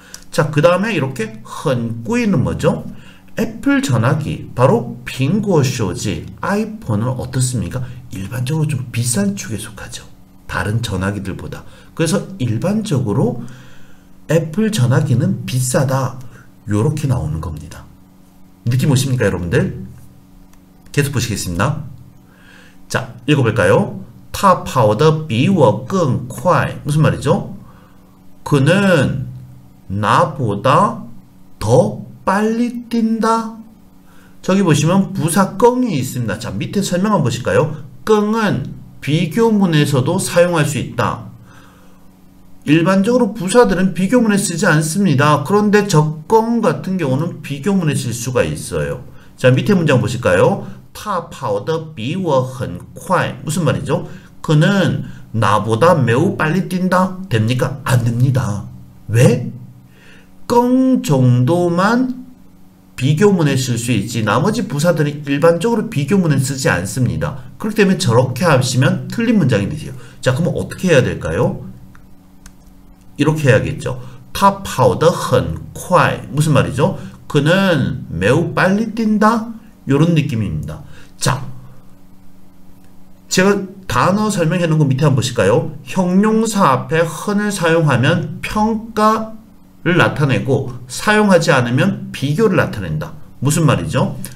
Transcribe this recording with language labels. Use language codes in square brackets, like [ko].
[ko] 자, 그 다음에 이렇게 헌꾸이는 뭐죠? 애플 전화기, 바로 빙고쇼지, 아이폰은 어떻습니까? 일반적으로 좀 비싼 축에 속하죠. 다른 전화기들보다. 그래서 일반적으로 애플 전화기는 비싸다. 요렇게 나오는 겁니다. 느낌 오십니까, 여러분들? 계속 보시겠습니다. 자, 읽어볼까요? [zh] 他跑得比我更快 [ko] 무슨 말이죠? 그는 나보다 더 빨리 뛴다. 저기 보시면 부사 更이 있습니다. 자, 밑에 설명 한번 보실까요? 更은 비교문에서도 사용할 수 있다. 일반적으로 부사들은 비교문에 쓰지 않습니다. 그런데 적更 같은 경우는 비교문에 쓸 수가 있어요. 자, 밑에 문장 보실까요? [zh] 他跑得比我很快 [ko] 무슨 말이죠? 그는 나보다 매우 빨리 뛴다. 됩니까? 안 됩니다. 왜? 껑 정도만 비교문에 쓸 수 있지 나머지 부사들이 일반적으로 비교문에 쓰지 않습니다. 그렇기 때문에 저렇게 하시면 틀린 문장이 되세요. 자, 그럼 어떻게 해야 될까요? 이렇게 해야겠죠. [zh] 他跑得很快 [ko] 무슨 말이죠? 그는 매우 빨리 뛴다. 이런 느낌입니다. 자, 제가 단어 설명해 놓은 거 밑에 한번 보실까요? 형용사 앞에 헌을 사용하면 평가를 나타내고 사용하지 않으면 비교를 나타낸다. 무슨 말이죠?